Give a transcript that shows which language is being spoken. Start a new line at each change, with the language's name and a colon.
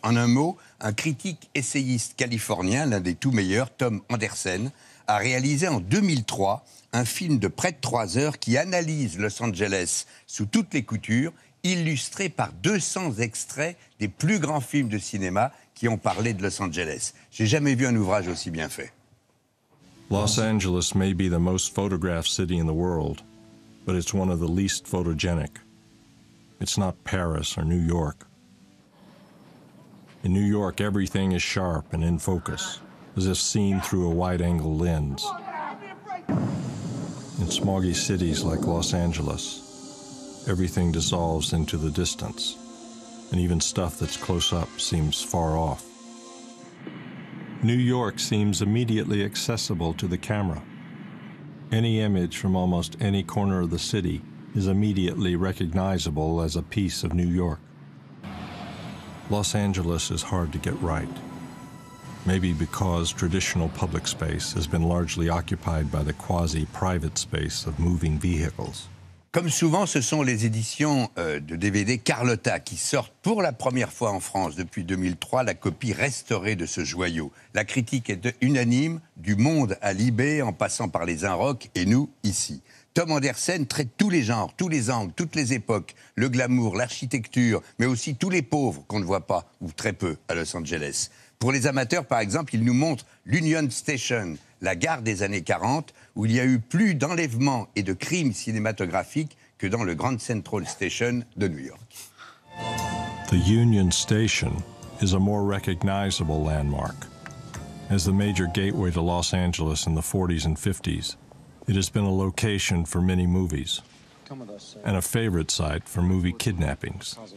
French: En un mot, un critique essayiste californien, l'un des tout meilleurs, Tom Anderson, a réalisé en 2003 un film de près de 3 heures qui analyse Los Angeles sous toutes les coutures, illustré par 200 extraits des plus grands films de cinéma qui ont parlé de Los Angeles. J'ai jamais vu un ouvrage aussi bien fait.
English: Los Angeles may be the most photographed city in the world. But it's one of the least photogenic. It's not Paris or New York. In New York, everything is sharp and in focus, as if seen through a wide-angle lens. In smoggy cities like Los Angeles, everything dissolves into the distance, and even stuff that's close up seems far off. New York seems immediately accessible to the camera. Any image from almost any corner of the city is immediately recognizable as a piece of New York. Los Angeles is hard to get right. Maybe because traditional public space has been largely occupied by the quasi-private space of moving vehicles.
French: Comme souvent, ce sont les éditions de DVD Carlotta qui sortent pour la première fois en France depuis 2003 la copie restaurée de ce joyau. La critique est unanime, du Monde à Libé, en passant par les Inrock et nous, ici. Tom Anderson traite tous les genres, tous les angles, toutes les époques, le glamour, l'architecture, mais aussi tous les pauvres qu'on ne voit pas, ou très peu, à Los Angeles. Pour les amateurs, par exemple, il nous montre l'Union Station, la gare des années 40, où il y a eu plus d'enlèvements et de crimes cinématographiques que dans le Grand Central Station de New York.
English: The Union Station is a more recognizable landmark. As the major gateway to Los Angeles in the 40s and 50s, it has been a location for many movies. Come with us, sir. And a favorite site for movie kidnappings.